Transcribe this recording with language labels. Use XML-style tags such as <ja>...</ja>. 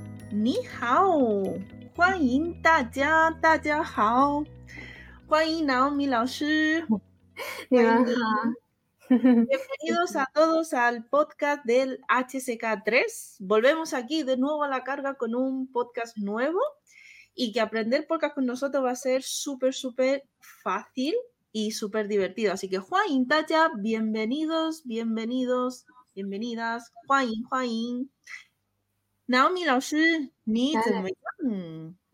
<zh>你好，欢迎大家，大家好，欢迎 Naomi 老师，你们好。</zh> <es>Bienvenidos a todos al podcast del HSK3. Volvemos aquí de nuevo a la carga con un podcast nuevo y que aprender podcast con nosotros va a ser súper, súper fácil y súper divertido. Así que Juan, Tacha, bienvenidos, bienvenidos, bienvenidas. Juan, Juan.</es> <zh>Naomi, 老师，你怎么样？</zh>